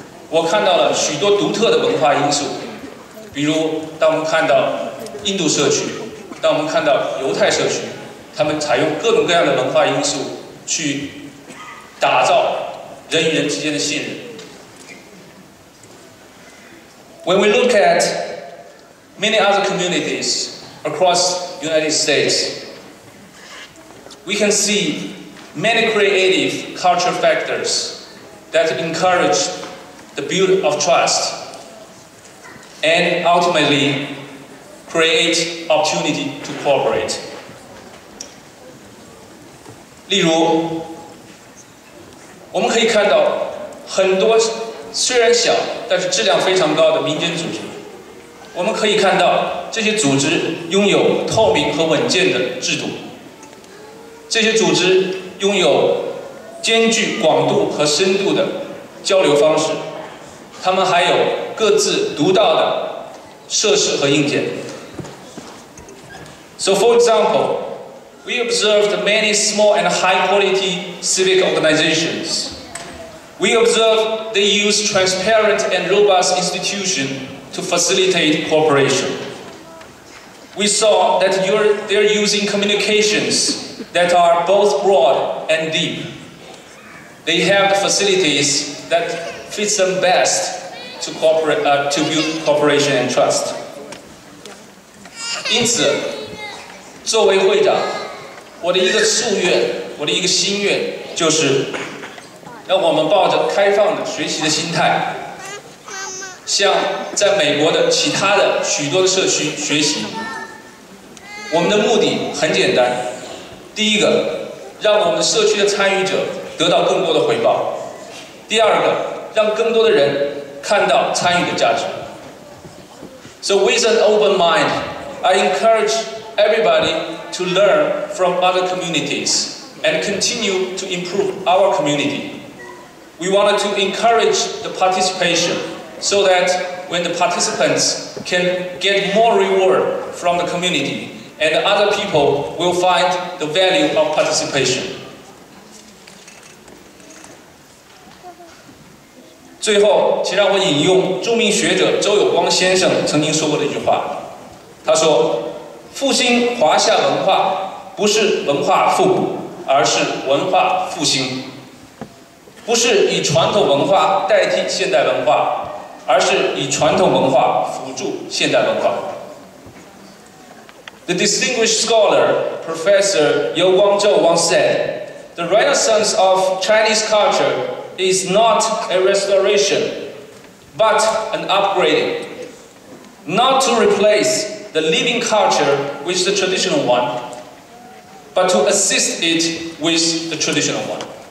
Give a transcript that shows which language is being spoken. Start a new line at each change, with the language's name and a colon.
Chinese: 我看到了许多独特的文化因素，比如当我们看到印度社区，当我们看到犹太社区，他们采用各种各样的文化因素去打造人与人之间的信任。
English: When we look at many other communities across the United States, we can see many creative culture factors that encourage the build of trust and ultimately create opportunity to cooperate.
Chinese: 例如，我们可以看到很多虽然小，但是质量非常高的民间组织。我们可以看到这些组织拥有透明和稳健的制度，这些组织拥有兼具广度和深度的交流方式，他们还有各自独到的设施和硬件。
English: So for example, we observed many small and high quality civic organizations. We observed they use transparent and robust institutionsTo facilitate cooperation. We saw that they're using communications that are both broad and deep. They have the facilities that fit them best to cooperate, to build cooperation and trust.
Chinese: 因此，作为会长，我的一个夙愿，我的一个心愿，就是让我们抱着开放的学习的心态。向在美国的其他的许多的社区学习。我们的目的很简单，第一个，让我们社区的参与者得到更多的回报；第二个，让更多的人看到参与的价值。
English: So with an open mind, I encourage everybody to learn from other communities and continue to improve our community. We wanted to encourage the participation. So that when the participants can get more reward from the community, and other people will find the value of participation.
Chinese: 最后，请让我引用著名学者周有光先生曾经说过的一句话。他说：“复兴华夏文化不是文化复古，而是文化复兴。不是以传统文化代替现代文化。” 而是以传统文化辅助现代文化。
English: The distinguished scholar, Professor You Guangzhou once said, the renaissance of Chinese culture is not a restoration, but an upgrading. Not to replace the living culture with the traditional one, but to assist it with the traditional one.